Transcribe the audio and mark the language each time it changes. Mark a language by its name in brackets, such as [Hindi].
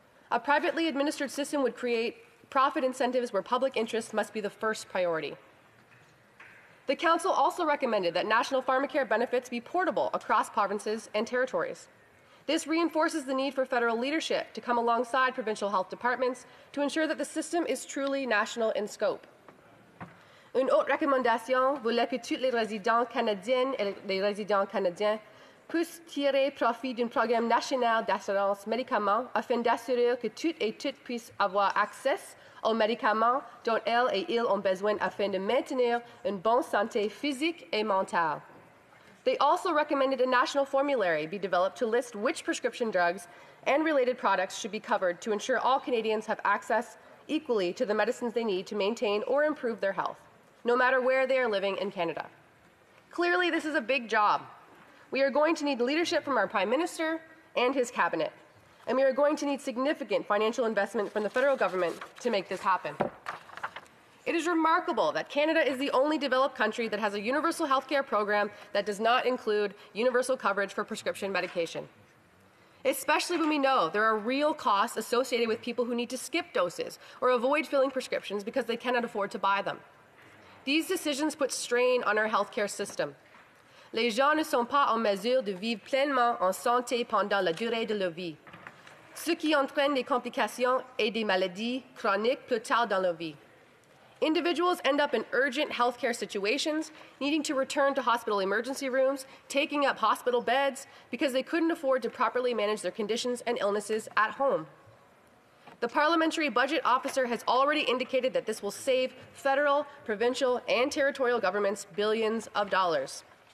[English] A privately administered system would create profit incentives where public interest must be the first priority. The Council also recommended that national pharmacare benefits be portable across provinces and territories. This reinforces the need for federal leadership to come alongside provincial health departments to ensure that the system is truly national in scope. [French] Une autre recommandation voulait que toutes les résidents canadiennes et les résidents canadiens puissent tirer profit d'un programme national d'assurance médicaments afin d'assurer que toutes et toutes puissent avoir accès aux médicaments dont elles et ils ont besoin afin de maintenir une bonne santé physique et mentale. [English] They also recommended a national formulary be developed to list which prescription drugs and related products should be covered to ensure all Canadians have access equally to the medicines they need to maintain or improve their health, no matter where they are living in Canada. Clearly, this is a big job. We are going to need leadership from our Prime Minister and his Cabinet, and we are going to need significant financial investment from the federal government to make this happen. It is remarkable that Canada is the only developed country that has a universal healthcare program that does not include universal coverage for prescription medication, especially when we know there are real costs associated with people who need to skip doses or avoid filling prescriptions because they cannot afford to buy them. These decisions put strain on our healthcare system. [French] Les gens ne sont pas en mesure de vivre pleinement en santé pendant la durée de leur vie, ce qui entraîne des complications et des maladies chroniques plus tard dans leur vie. [English] Individuals end up in urgent healthcare situations, needing to return to hospital emergency rooms, taking up hospital beds, because they couldn't afford to properly manage their conditions and illnesses at home. The Parliamentary Budget Officer has already indicated that this will save federal, provincial, and territorial governments billions of dollars.